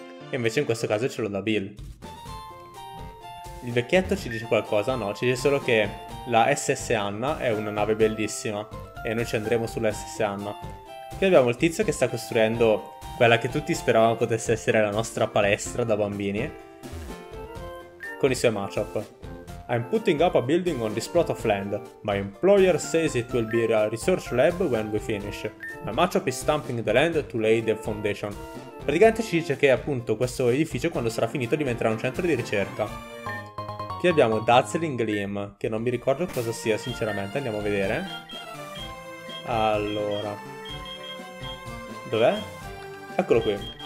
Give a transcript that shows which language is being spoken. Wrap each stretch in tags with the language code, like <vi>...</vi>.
<it>E invece in questo caso ce lo dà Bill. Il vecchietto ci dice qualcosa? No, ci dice solo che la SS Anna è una nave bellissima e noi ci andremo sulla SS Anna. Qui abbiamo il tizio che sta costruendo quella che tutti speravamo potesse essere la nostra palestra da bambini, con i suoi matchup.</it> <en>I'm putting up a building on this plot of land. My employer says it will be a research lab when we finish. My matchup is stamping the land to lay the foundation.</en> <it>Praticamente ci dice che appunto questo edificio, quando sarà finito, diventerà un centro di ricerca. Qui abbiamo Dazzling Gleam, che non mi ricordo cosa sia sinceramente, andiamo a vedere. Allora, dov'è? Eccolo qui,</it>